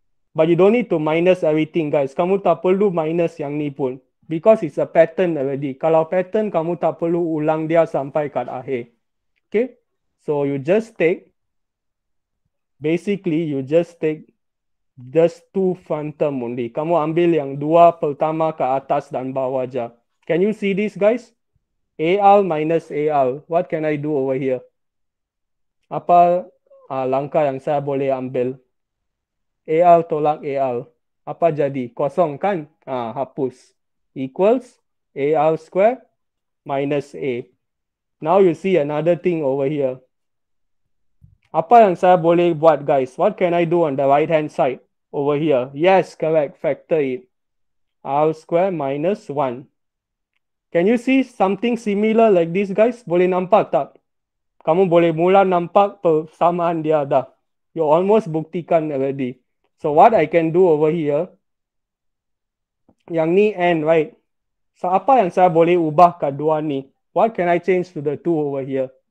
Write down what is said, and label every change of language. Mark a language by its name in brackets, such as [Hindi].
[English] But you don't need to minus everything, guys. [Malay] Kamu tak perlu minus yang ni pun. [English] Because it's a pattern already. [Malay] Kalau pattern, kamu tak perlu ulang dia sampai kat akhir. Okay? [English] So, you just take. Basically, you just take just two front term only. [Malay] Kamu ambil yang dua pertama ke atas dan bawah aja. [English] Can you see this, guys? AR minus AR. What can I do over here? [Malay] Apa langkah yang saya boleh ambil? AR tolak AR. Apa jadi? Kosong kan? Hapus. [English] Equals AR square minus A. Now you see another thing over here. [Malay] Apa yang saya boleh buat, guys? [English] What can I do on the right hand side over here? Yes, correct. Factor it. R square minus 1. Can you see something similar like this, guys? [Malay] Boleh nampak tak? Kamu boleh mula nampak persamaan dia dah. [English] You almost [Malay] buktikan [English] already. So what I can do over here, [Malay] yang ni [English] N, right? [Malay] So, apa yang saya boleh ubah kat dua ni? [English] What can I change to the two over here?